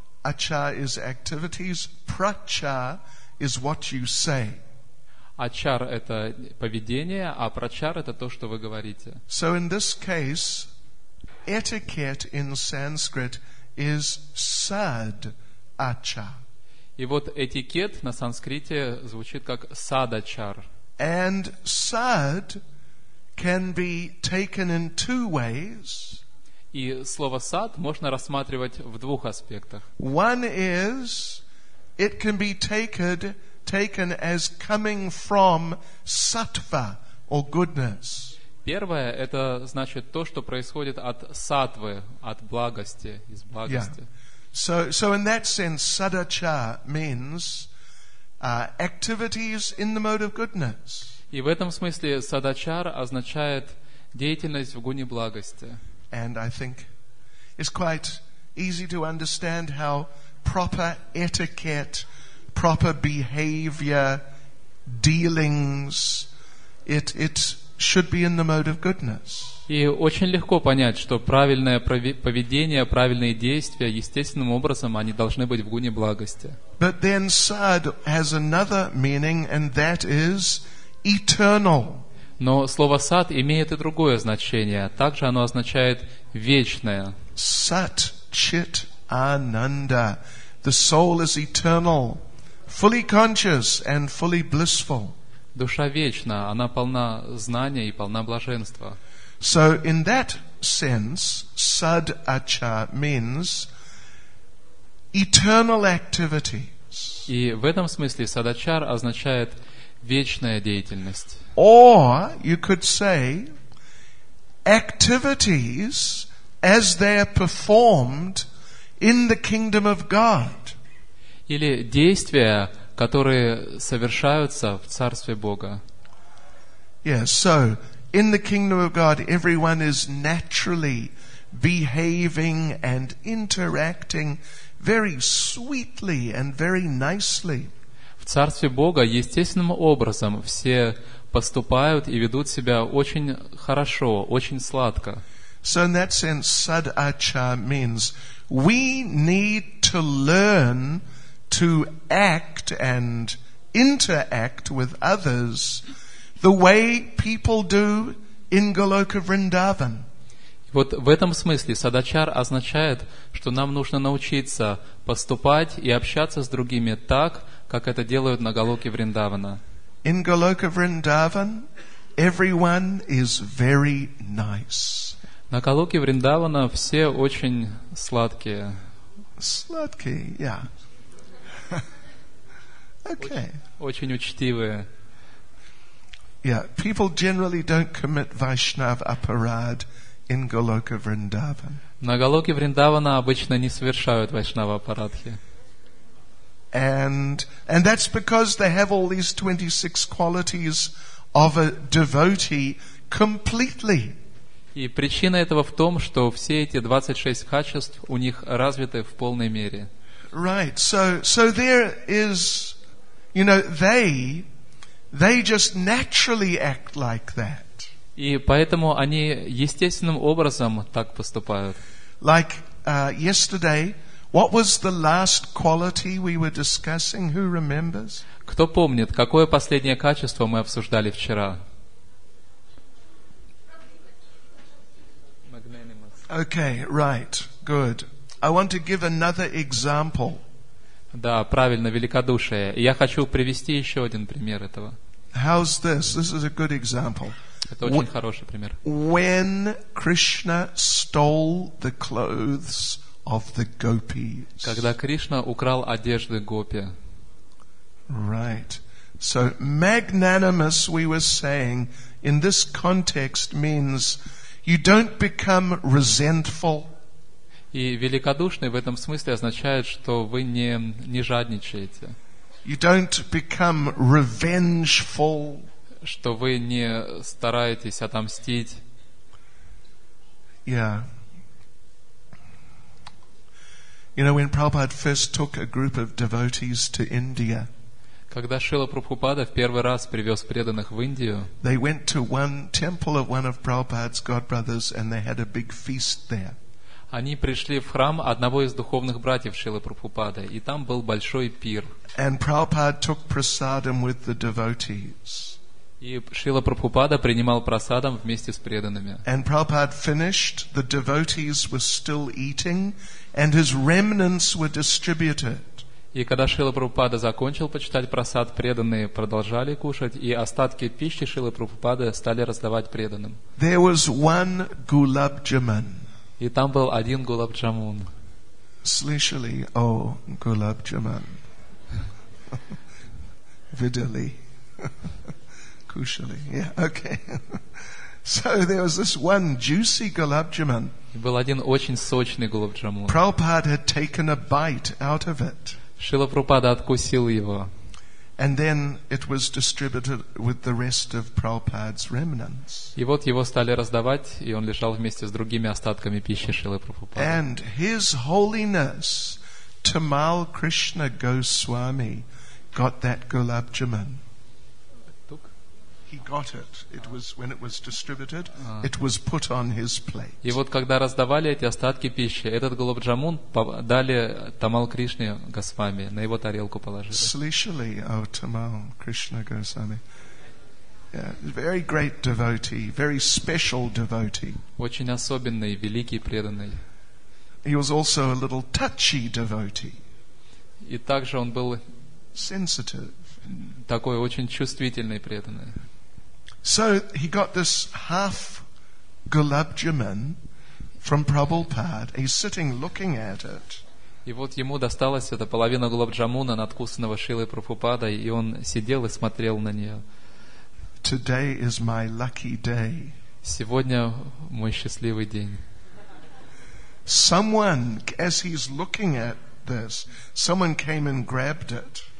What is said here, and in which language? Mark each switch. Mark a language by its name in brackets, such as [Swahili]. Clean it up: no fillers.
[English] Acha is activities, Pracha is what you say. [Russian] Ачар — это поведение, а Прачар — это то, что вы говорите. [English] So in this case, etiquette in Sanskrit is sad-acha. [Russian] И вот этикет на санскрите звучит как sad-achar. [English] And sad can be taken in two ways. [Russian] И слово sad можно рассматривать в двух аспектах. [English] One is it can be taken as coming from sattva or goodness. [Russian] Первое — это значит то, что происходит от саттвы, от благости, из благости. [English] Yeah. So in that sense, sadacha means activities in the mode of goodness. [Russian] И в этом смысле садачар означает деятельность в гуне благости. [English] And I think it's quite easy to understand how proper etiquette, proper behavior, dealings, it should be in the mode of goodness. [Russian] И очень легко понять, что правильное поведение, правильные действия, естественным образом, они должны быть в гуне благости. [English] But then sad has another meaning, and that is eternal. [Russian] Но слово sad имеет и другое значение. Также оно означает вечное. [Sanskrit] Sat Chit Ananda. [English] The soul is eternal, fully conscious and fully blissful. [Russian] Душа вечна, она полна знания и полна блаженства. [English] So in that sense, sad-acha means eternal activities. [Russian] И в этом смысле садачар означает вечная деятельность. [English] Or you could say activities as they are performed in the kingdom of God. [Russian] Или действия, которые совершаются в Царстве Бога. [English] Yes, so in the kingdom of God everyone is naturally behaving and interacting very sweetly and very nicely. [Russian] В Царстве Бога естественным образом все поступают и ведут себя очень хорошо, очень сладко. [English] So in that sense, sad-acha means we need to learn to act and interact with others the way people do in Goloka Vrindavan. [Russian] Вот в этом смысле садачар означает, что нам нужно научиться поступать и общаться с другими так, как это делают на Голоке Вриндавана. [English] In Goloka Vrindavan, everyone is very nice. [Russian] На Голоке Вриндавана все очень сладкие. Сладкие, [English] yeah. Okay. [Russian] Очень учтивые. [English] Yeah, people generally don't commit Vaishnav aparad in Goloka Vrindavan. [Russian] На Голоке Вриндавана обычно не совершают Вайшнава апарадхи. [English] And that's because they have all these 26 qualities of a devotee completely. [Russian] И причина этого в том, что все эти 26 качеств у них развиты в полной мере. [English] Right. So there is, you know, they just naturally act like that. [Russian] И поэтому они естественным образом так поступают. [English] Like yesterday, what was the last quality we were discussing? Who remembers? [Russian] Кто помнит, какое последнее качество мы обсуждали вчера? [English] Okay, right. Good. I want to give another example. [Russian] Да, правильно, великодушие. Я хочу привести еще один пример этого. [English] How's this? This is a good example. [Russian] Это очень хороший пример. [English] When Krishna stole the clothes of the gopis. [Russian] Когда Кришна украл одежды гопи. [English] Right. So magnanimous, we were saying, in this context means you don't become resentful. [Russian] И великодушный в этом смысле означает, что вы не жадничаете. [English] You don't become revengeful. [Russian] Что вы не стараетесь отомстить. [English] Yeah. You know, when Prabhupada first took a group of devotees to India, [Russian] когда Шрила Прабхупада в первый раз привез преданных в Индию, [English] they went to one temple of one of Prabhupada's godbrothers and they had a big feast there. [Russian] Они пришли в храм одного из духовных братьев Шрилы Прабхупады, и там был большой пир. [English] And Prabhupada took prasadam with the devotees. [Russian] И Шрила Прабхупада принимал прасадам вместе с преданными. [English] And Prabhupada finished, the devotees were still eating, and his remnants were distributed. [Russian] И когда Шрила Прабхупада закончил почитать прасад, преданные продолжали кушать, и остатки пищи Шрилы Прабхупады стали раздавать преданным. [English] There was one gulab jamun. [Russian] И там был один гулаб джамун. Слышали о гулаб джамун? Видели? Кушали? [English] Yeah, okay. So there was this one juicy gulab jamun. [Russian] Был один очень сочный гулаб джамун. [English] Prabhupada had taken a bite out of it. [Russian] Шрила Прабхупада откусил его. [English] And then it was distributed with the rest of Prabhupada's remnants. [Russian] И вот его стали раздавать, и он лежал вместе с другими остатками пищи Шрилы Прабхупады. [English] And His Holiness Tamal Krishna Goswami got that gulab jamun. He got it. It was when it was distributed. It was put on his plate. [Russian] И вот когда раздавали эти остатки пищи, этот гулаб джамун дали Тамал Кришне Госвами, на его тарелку положили. Слышали о Тамал Кришне Госвами? [English] Yeah, very great devotee, very special devotee. [Russian] Очень особенный, великий преданный. [English] He was also a little touchy devotee. [Russian] И также он был [English] sensitive. [Russian] Такой очень чувствительный преданный. [English] So he got this half gulab jamun from Prabhupada. He's sitting looking at it. [Russian] И вот ему досталась эта половина гулаб джамуна, надкусанного Шрилой Прабхупадой, и он сидел и смотрел на нее. [English] Today is my lucky day. [Russian] Сегодня мой счастливый день. [English] Someone, as he's looking at this, someone came and grabbed it.